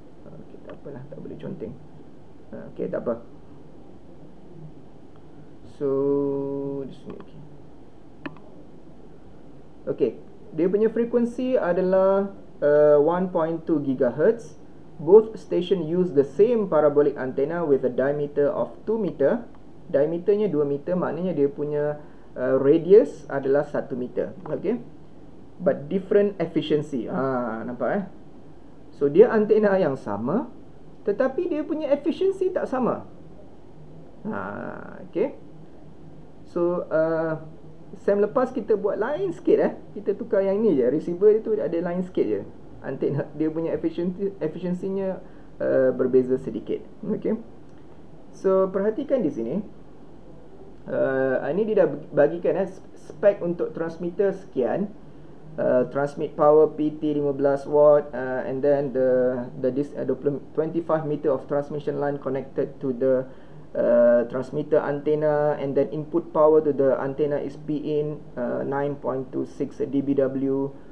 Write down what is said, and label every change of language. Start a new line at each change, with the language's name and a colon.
Malay: Okay, tak apalah, tak boleh conteng. Okay, tak apa. So di sini, okay. Okay, dia punya frequency adalah 1.2 GHz.
English: Both station use the same parabolic antenna with a diameter of 2 meter.
Malay: Diameternya 2 meter, maknanya dia punya radius adalah 1 meter.
English: Okay. But different efficiency.
Malay: Nampak eh? So, dia antena yang sama, tetapi dia punya efficiency tak sama. Okay. So, Sam lepas kita buat lain sikit eh. Kita tukar yang ni je. Receiver dia tu ada lain sikit je. Antena dia punya efficiency-nya berbeza sedikit. Okay. So, perhatikan di sini. Ini dia dah bagikan spek untuk transmitter sekian.
English: Transmit power PT 15 watt, and then the 25 meter of transmission line connected to the transmitter antenna, and then input power to the antenna is Pin 9.26 dBW.